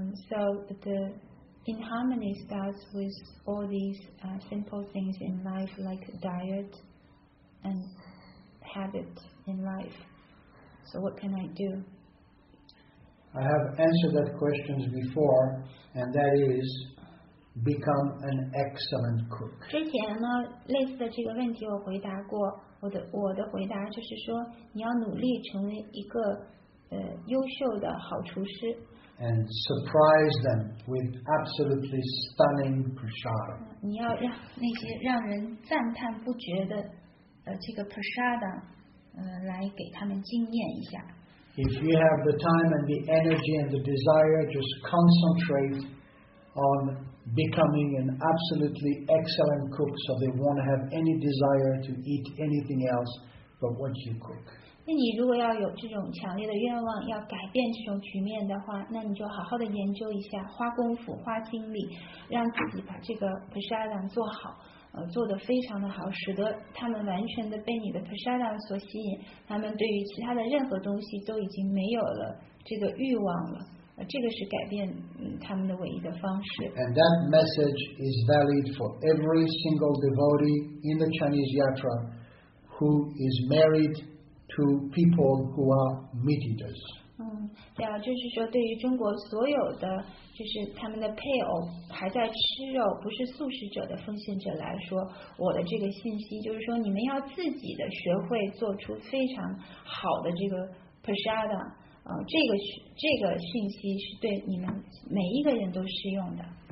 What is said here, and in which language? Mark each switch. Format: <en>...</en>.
<en>So the inharmony starts with all these simple things in life, like diet and habit in life. So what can I do? I have answered that question before, and that is, become an excellent cook.</en> <zh>之前呢，类似的这个问题我回答过，我的回答就是说，你要努力成为一个优秀的好厨师。</zh> <en>And surprise them with absolutely stunning prashada.</en> <zh>你要让那些让人赞叹不绝的这个 prashada， 来给他们惊艳一下。</zh> <en>If you have the time and the energy and the desire, just concentrate on becoming an absolutely excellent cook, so they won't have any desire to eat anything else but what you cook.</en> <zh>那你如果要有这种强烈的愿望，要改变这种局面的话，那你就好好的研究一下，花功夫，花精力，让自己把这个 prashadam 做好。做得非常的好，使得他们完全的被你的 prashadam 所吸引，他们对于其他的任何东西都已经没有了这个欲望了，这个是改变他们的唯一的方式。</zh> <en>And that message is valid for every single devotee in the Chinese Yatra who is married to people who are meat eaters.</en> <zh>对啊，就是说对于中国所有的就是他们的配偶还在吃肉不是素食者的奉献者来说，我的这个信息就是说，你们要自己的学会做出非常好的这个 prashada， 这个信息是对你们每一个人都适用的。</zh>